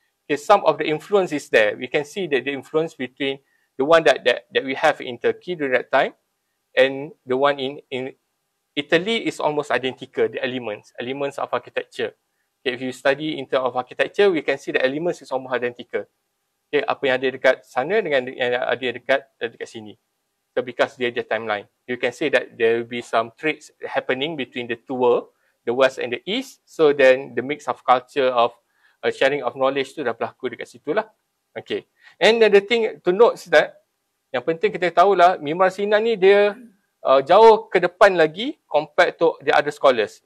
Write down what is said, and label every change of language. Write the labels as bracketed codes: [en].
[en] Okay, some of the influence is there. We can see that the influence between the one that we have in Turkey during that time and the one in Italy is almost identical, the elements of architecture. Okay, if you study in terms of architecture, we can see the elements is almost identical. [ms] Okay, apa yang ada dekat sana dengan yang ada dekat sini. [en] So because they're the timeline, you can say that there will be some traits happening between the two world, the West and the East. So then the mix of culture of sharing of knowledge [ms] tu dah berlaku dekat situ lah. [en] Okay. And then the thing to note is that, [ms] yang penting kita tahulah, [en] Mimar Sinan [ms] ni dia jauh ke depan lagi [en] compared to the other scholars.